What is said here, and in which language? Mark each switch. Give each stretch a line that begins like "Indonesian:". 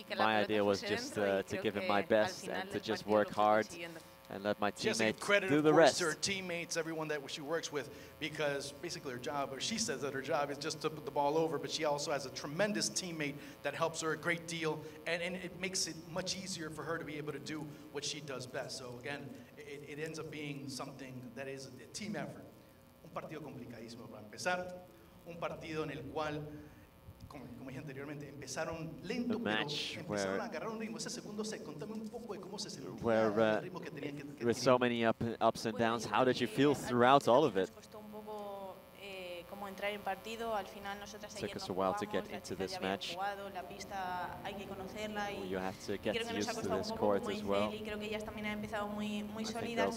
English: my idea was just to give it my best and to just work hard and let my teammates do the rest. Her teammates, everyone that she works with, because basically her job, or she says that her job is just to put the ball over, but she also has a tremendous teammate that helps her a great deal, and it makes it much easier for her to be able to do what she does best. So again, it ends up being something that is a team effort.
Spanish: Un partido complicadísimo para empezar, un partido en el cual como dije anteriormente, empezaron lento, pero empezaron a agarrar un ritmo. Ese segundo set, contame un poco de cómo se sentía el ritmo que tenían que tener.
English: With so many ups and downs, how did you feel throughout all of it?
Spanish: Costó un poco como entrar en partido. Al final, nosotras ayer no jugamos.
English: Took us a while to get into this match.
Spanish: La pista hay que conocerla y
English: you have to get used to this court as well.
Spanish: Y creo que ellas también han empezado muy sólidas,